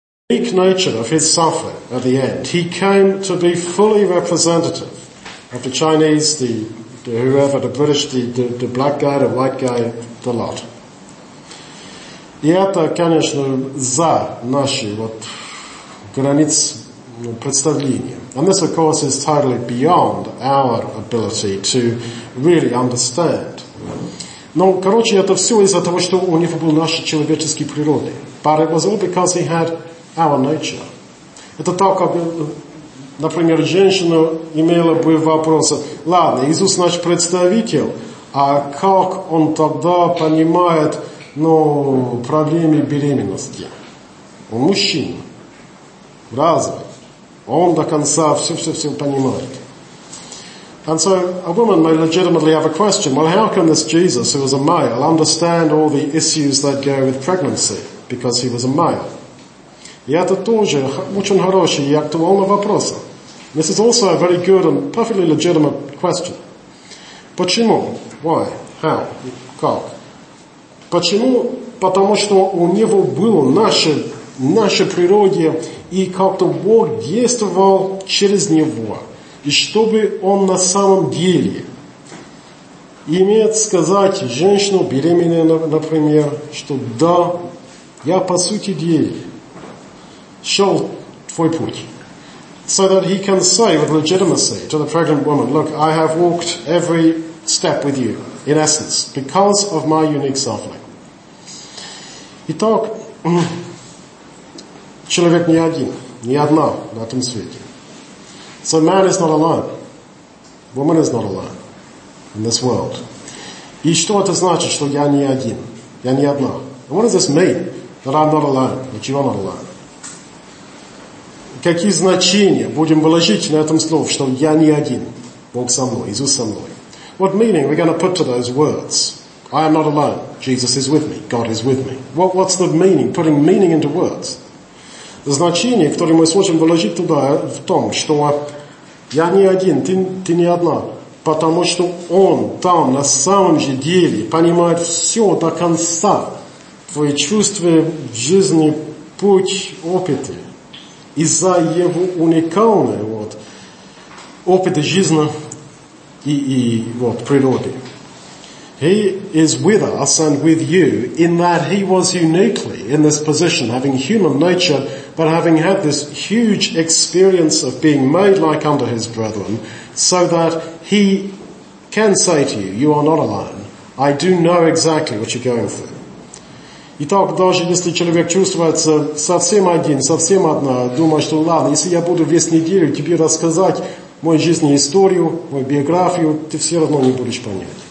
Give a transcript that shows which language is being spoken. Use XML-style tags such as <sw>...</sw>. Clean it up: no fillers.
<en>nature of his suffering at the end, he came to be fully representative of the Chinese, the whoever, the British, the black guy, the white guy, the lot.</en> <ru>И это, конечно, за наши вот границ представления.</ru> <en>And this, of course, is totally beyond our ability to really understand.</en> <ru>Но, короче, это все из-за того, что у него был наш человеческий природный.</ru> <en>But it was all because he had our nature.</en> <ru>Это так, как, например, женщина имела бы вопрос, ладно, Иисус наш представитель, а как он тогда понимает, ну, проблемы беременности? Он мужчина. Разве? Он до конца все-все-все понимает.</ru> <en>And so a woman may legitimately have a question, well, how can this Jesus, who was a male, understand all the issues that go with pregnancy, because he was a male?</en> <ru>И это тоже очень хороший и актуальный вопрос.</ru> <en>This is also a very good and perfectly legitimate question.</en> <ru>Почему?</ru> <en>Why? How?</en> <ru>Как? Почему? Потому что у него было наше природе, и как-то Бог действовал через него. И чтобы он на самом деле имел сказать женщину беременную, например, что да, я по сути дела шел твой путь.</ru> <en>So that he can say with legitimacy to the pregnant woman, look, I have walked every step with you, in essence, because of my unique suffering.</en> <ru>Итак, человек не один, не одна на этом свете.</ru> <en>So man is not alone. Woman is not alone in this world.</en> <ru>И что это значит, что я не один? Я не одна.</ru> <en>And what does this mean? That I'm not alone, that you are not alone.</en> <ru>Какие значения будем вложить на этом слове, что я не один? Бог со мной, Иисус со мной.</ru> <en>What meaning are we going to put to those words? I am not alone. Jesus is with me. God is with me. What's the meaning? Putting meaning into words.</en> <ru>Значение, которое мы сможем вложить туда, в том, что я не один, ты не одна, потому что он там на самом же деле понимает все до конца, твои чувства, жизни, путь, опыты. Из-за его уникальной вот, опыта жизни и вот, природы.</ru> <en>He is with us and with you in that he was uniquely in this position, having human nature, but having had this huge experience of being made like unto his brethren, so that he can say to you, you are not alone. I do know exactly what you're going through.</en> <ru>Итак, даже если человек чувствуется совсем один, совсем одна, думает, что ладно, если я буду весь неделю тебе рассказать мою жизненную историю, мою биографию, ты все равно не будешь понять.</ru>